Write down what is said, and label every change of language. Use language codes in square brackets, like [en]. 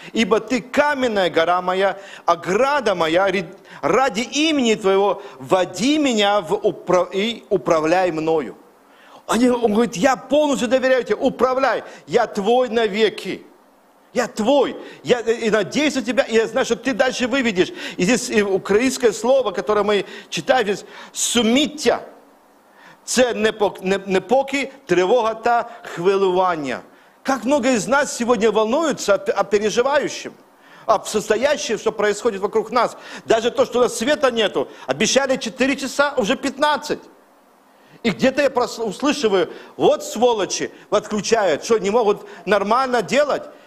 [ru] Ибо ты каменная гора моя, ограда моя, ради имени твоего води меня и управляй мною». Он говорит, я полностью доверяю тебе, управляй, я твой навеки. Я твой, я и надеюсь на тебя, и я знаю, что ты дальше выведешь. И здесь и украинское слово, которое мы читаем здесь, [uk] суміття, це непокій, тривога та хвилювання. [ru] Как много из нас сегодня волнуются о переживающем, о состоящем, что происходит вокруг нас. Даже то, что у нас света нету, обещали 4 часа, уже 15. И где-то я услышиваю, вот сволочи отключают, что не могут нормально делать.